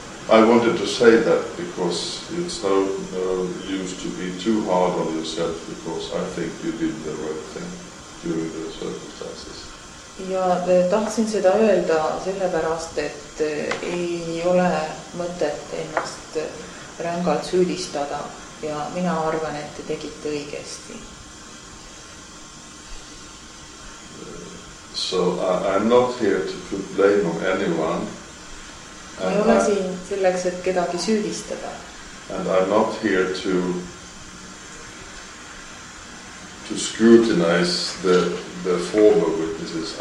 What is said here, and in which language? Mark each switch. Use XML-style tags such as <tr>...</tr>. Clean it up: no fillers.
<en>I wanted to say that because it's no use to be too hard on yourself, because I think you did the right thing during the circumstances.</en> <et>Ja tahtsin seda öelda sellepärast, et ei ole mõtet ennast rängalt süüdistada, ja mina arvan, et te tegite õigesti.</et> <en>So I'm not here to put blame on anyone.</en> <et>Ei ole siin selleks, et kedagi süüdistada.</et> <en>And I'm not here to scrutinize the former witnesses.</en>